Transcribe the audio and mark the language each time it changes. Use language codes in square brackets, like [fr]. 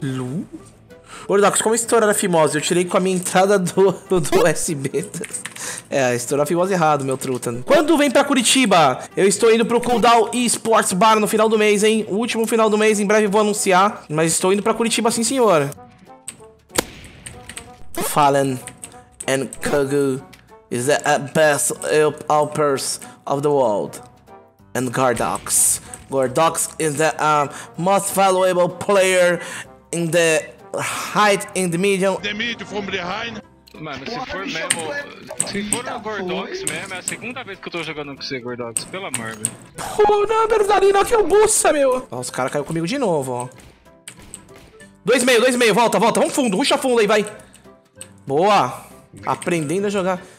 [pt] Lu? Gordox, como estourar a fimose? Eu tirei com a minha entrada do USB. É, estourou a fimose errado, meu truta. Quando vem pra Curitiba? Eu estou indo pro Cooldown Esports Bar no final do mês, hein? O último final do mês, em breve vou anunciar. Mas estou indo pra Curitiba, sim, senhor. [en] Fallen and Kogu is the best helpers of the world. And Gordox. Gordox is the most valuable player in the height and the medium. The medium from behind. [pt] Mano, se for mesmo. Se for o Gordox mesmo, é a segunda vez que eu tô jogando com você, Gordox. Pelo amor, velho. Pô, não, meu. Nossa, o cara caiu comigo de novo, ó. Dois meio. Volta, volta. Vamos fundo. Ruxa fundo aí, vai. Boa! Aprendendo a jogar.